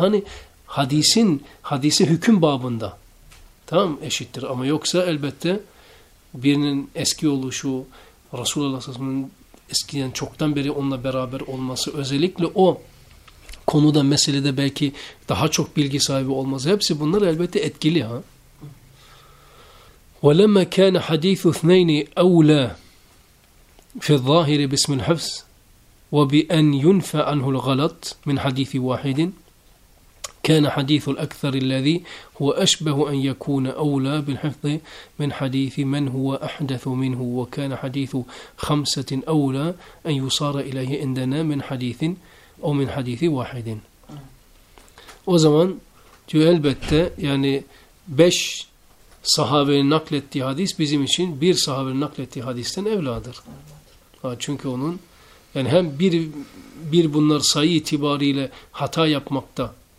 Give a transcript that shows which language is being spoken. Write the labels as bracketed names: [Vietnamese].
[Turkish] Hani hadisin, hadise hüküm babında. Tamam, eşittir. Ama yoksa elbette birinin eski oluşu, Resulullah sallallahu aleyhi ve sellem'in eskiden çoktan beri onunla beraber olması, özellikle o konuda, meselede belki daha çok bilgi sahibi olması, hepsi bunlar elbette etkili ha. [Arabic] وَلَمَّا كَانَ حَدِيثُ اثْنَيْنِ اَوْلَى فِي الظَّاهِرِ بِسْمِ الْحَفْزِ وَبِأَنْ يُنْفَى عَنْهُ الْغَلَطِ مِنْ حَدِيثِ وَاحِدٍ كان حديث الأكثر الذي هو أشبه أن يكون أولى بالحفظ من حديث من هو أحدث منه وكان حديث خمسة أولى أن يصار إليه عندنا من حديث أو من حديث واحد. [Turkish] O zaman diyor elbette yani beş sahabenin naklettiği hadis bizim için bir sahabenin naklettiği hadisten evladır. Ha, çünkü onun yani hem bir bunlar sayı itibariyle hata yapmakta.